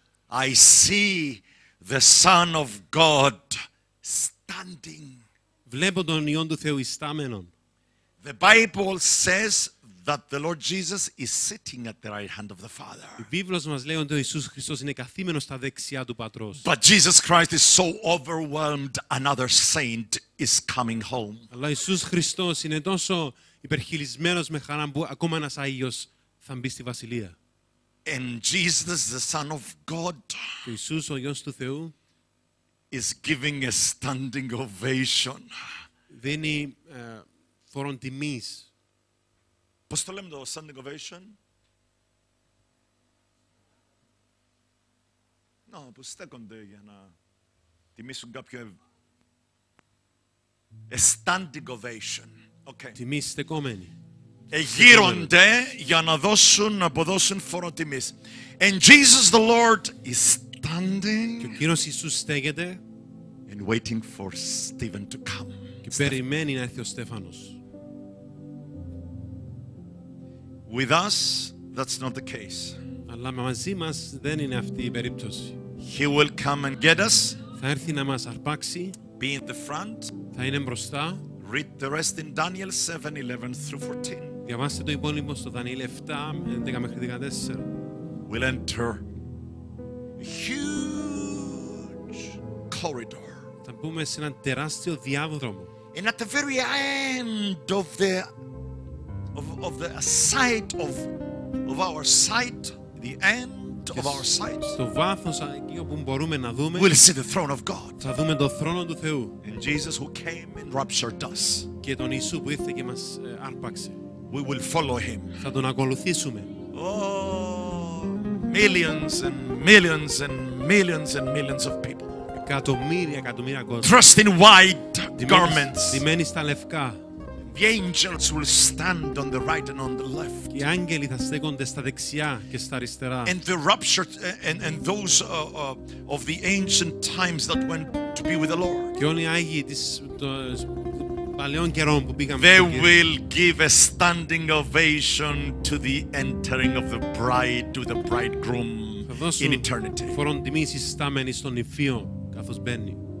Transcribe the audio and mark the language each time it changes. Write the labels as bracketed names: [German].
[English] I see the Son of God standing. [Greek] Βλέπω τον Υιόν του Θεού ιστάμενον. [English] The Bible says that the Lord Jesus is sitting at the right hand of the Father. [Greek] Η Βίβλος μας λέει ότι ο Ιησούς Χριστός είναι καθήμενος στα δεξιά του Πατρός. [English] But Jesus Christ is so overwhelmed, another saint is coming home. [Greek] Αλλά ο Ιησούς Χριστός είναι τόσο υπερχειλισμένος με χαρά που ακόμα ένας Άγιος θα μπει στη Βασιλεία. [English] And Jesus, the Son of God, [Greek] ο Ιησούς, ο Υιός του Θεού, [English] is giving a standing ovation. [Greek] Δίνει φόρον τιμής. Πώς το λέμε το standing ovation? No, που στέκονται για να τιμήσουν κάποιον. [English] A standing ovation. Okay. [Greek] Τιμής στεκόμενη. Εγείρονται για να δώσουν, να αποδώσουν φοροτιμής. [English] And Jesus the Lord is standing [Greek] και ο Κύριος Ιησούς στέγεται [English] and waiting for Stephen to come. [Greek] Και περιμένει να έρθει ο Στέφανος. [English] With us, that's not the case. [Greek] Αλλά μαζί μας δεν είναι αυτή η περίπτωση. [English] He will come and get us. [Greek] Θα έρθει να μας αρπάξει. [English] Be in the front. [Greek] Θα είναι μπροστά. [English] Read the rest in Daniel 7:11-14. [Greek] Διαβάστε το υπόλοιπο στο Δανιήλ 7:11-14. [English] We'll enter a huge corridor. [Greek] Θα μπούμε σε έναν τεράστιο διάδρομο. [English] And at the very end of the site of our site, the end. [Greek] Στο βάθος εκεί όπου μπορούμε να δούμε, [English] we'll see the throne of God. [Greek] Θα δούμε τον θρόνο του Θεού. [English] And Jesus who came and raptured us. [Greek] Και τον Ιησού που ήρθε και μας άρπαξε. [English] We will follow him. [Greek] Θα τον ακολουθήσουμε. [English] Oh, millions and millions and millions and millions of people. [Greek] Εκατομμύρια, εκατομμύρια κόσμο. [English] Dressed in white garments. [Greek] Ντυμένοι στα λευκά. [English] The angels will stand on the right and on the left. [Greek] Οι άγγελοι θα στέκονται στα δεξιά και στα αριστερά. [English] And the rapture and those of the ancient times that went to be with the Lord. [Greek] Και όλοι οι άγιοι της παλαιών καιρών που πήγαν. [English] They will give a standing ovation to the entering of the bride to the bridegroom in eternity. [Greek] Φορών τιμήσεις στάμενοι στον νηφίο καθώς μπαίνει.